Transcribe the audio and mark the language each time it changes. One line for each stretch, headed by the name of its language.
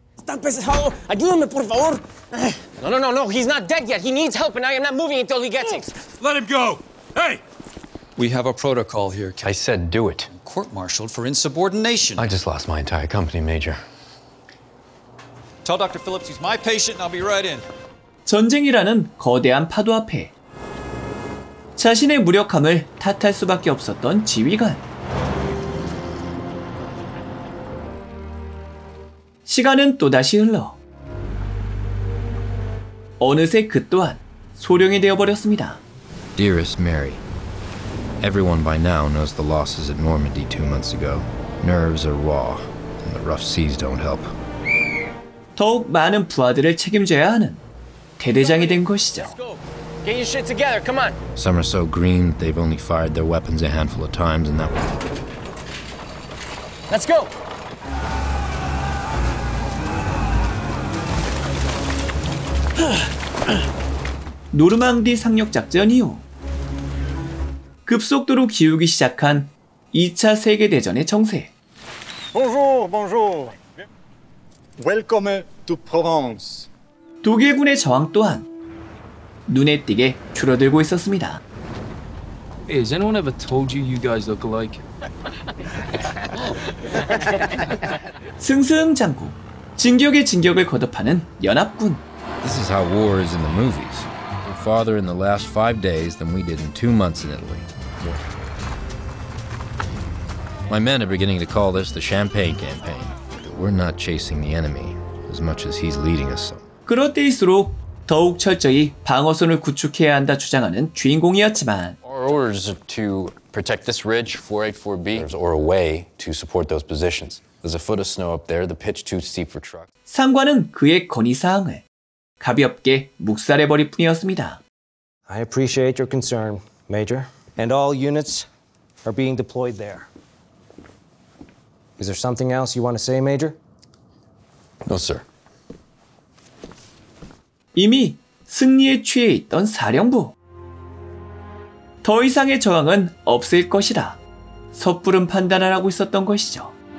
English: No, he's not dead yet. He needs help, and I am not moving until he gets it. Let him go! Hey! We have a protocol here, I said do it. Court-martialed for insubordination. I just lost my entire company, Major. Tell Dr. Phillips he's my patient, and I'll be right in.
Korean: 전쟁이라는 거대한 파도 앞에 자신의 무력함을 탓할 수밖에 없었던 지휘관. 시간은 또다시 흘러 어느새 그 또한 소령이 되어버렸습니다.
English: Dearest Mary, everyone by now knows the losses at Normandy 2 months ago. Nerves are raw, and the rough seas don't help.
Korean: 더욱 많은 부하들을 책임져야 하는 대대장이 된 것이죠.
English: Get your shit together, come on. Some are so green that they've only fired their weapons a handful of times, and that was... Let's go!
Korean: 노르망디 상륙작전 이후 급속도로 기울기 시작한 2차 세계대전의 정세.
French: Bonjour, bonjour.
English: Welcome to Provence.
Korean: 독일군의 저항 또한 눈에 띄게 줄어들고 있었습니다.
English: Has anyone ever told you you guys look alike?
Korean: 승승장구, 진격의 진격을 거듭하는 연합군.
English: This is how war is in the movies. We're farther in the last 5 days than we did in 2 months in Italy. My men are beginning to call this the Champagne Campaign. But we're not chasing the enemy as much as he's leading us.
Korean: 그럴 때일수록 더욱 철저히 방어선을 구축해야 한다 주장하는 주인공이었지만
English: Our orders are to protect this ridge, 484B, or a way to support those positions. There's a foot of snow up there, the pitch too steep for trucks.
Korean: 상관은 그의 건의사항을 가볍게 묵살해버릴 뿐이었습니다.
English: I appreciate your concern, Major. And all units are being deployed there. Is there something else you want to say, Major? No, sir.
Korean: 이미 승리에 취해 있던 사령부. 더 이상의 저항은 없을 것이다. 섣부른 판단을 하고 있었던 것이죠.